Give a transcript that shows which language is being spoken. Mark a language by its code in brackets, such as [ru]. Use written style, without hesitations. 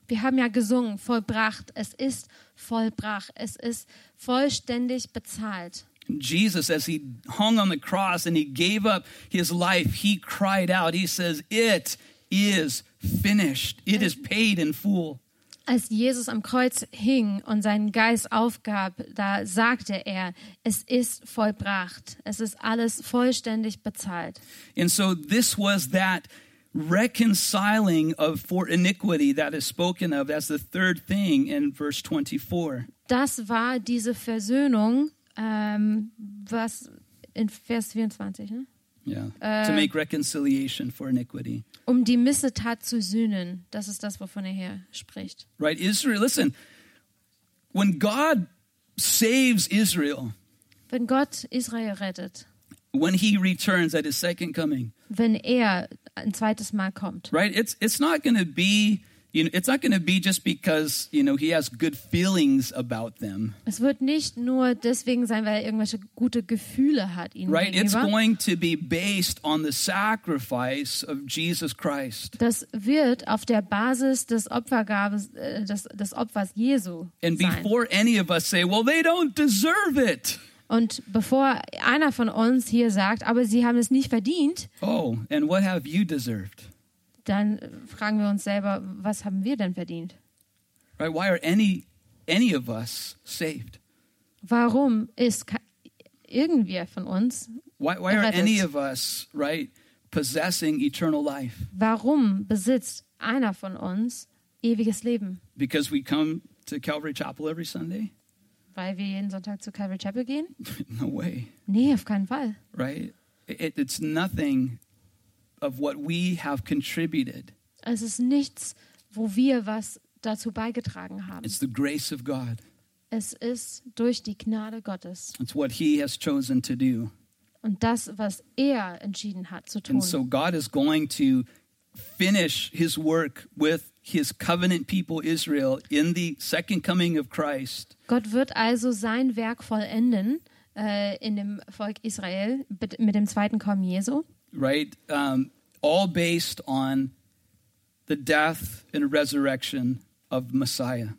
[de] Wir haben ja gesungen, vollbracht. Es ist vollbracht. Es ist vollständig bezahlt. [en] Jesus, as he hung on the cross and he gave up his life, he cried out. He says, it is finished. It is paid in full. [de] Als Jesus am Kreuz hing und seinen Geist aufgab, da sagte er, es ist vollbracht. Es ist alles vollständig bezahlt. [en] And so this was that reconciling of for iniquity that is spoken of as the third thing in verse 24. [de] Das war diese Versöhnung, was in Vers 24, ne? [en] Yeah. To make reconciliation for iniquity. [de] Um die Missetat zu sühnen, das ist das, wovon er hier spricht. [en] Right, Israel, listen. When God saves Israel. [de] Wenn Gott Israel rettet. [en] When he returns at his second coming. [de] Wenn er ein zweites Mal kommt. [en] Right, it's not going to be, you know, it's not going to be just because, you know, he has good feelings about them. [de] Es wird nicht nur deswegen sein, weil er irgendwelche gute Gefühle hat ihnen gegenüber. [en] Right, it's going to be based on the sacrifice of Jesus Christ. [de] Das wird auf der Basis des Opfergabes des Opfers Jesu sein. [en] And before any of us say, well, they don't deserve it. [de] Und bevor einer von uns hier sagt, aber sie haben es nicht verdient. [en] Oh, and what have you deserved? [de] Dann fragen wir uns selber, was haben wir denn verdient? [en] Right, why are any of us saved? [de] Warum ist irgendwer von uns [en] why are any of us, right, possessing eternal life? [de] Warum besitzt einer von uns ewiges Leben? [en] Because we come to Calvary Chapel every Sunday? [de] Weil wir jeden Sonntag zu Calvary Chapel gehen? [en] No way. [de] Nee, auf keinen Fall. [en] Right? It's nothing of what we have contributed. [de] Es ist nichts, wo wir was dazu beigetragen haben. [en] It's the grace of God. [de] Es ist durch die Gnade Gottes. [en] It's what he has chosen to do. [de] Und das, was er entschieden hat zu tun. [en] And so God is going to finish his work with his covenant people Israel in the second coming of Christ. [de] Gott wird also sein Werk vollenden in dem Volk Israel mit dem zweiten Kommen Jesu. [en] Right, all based on the death and resurrection of Messiah.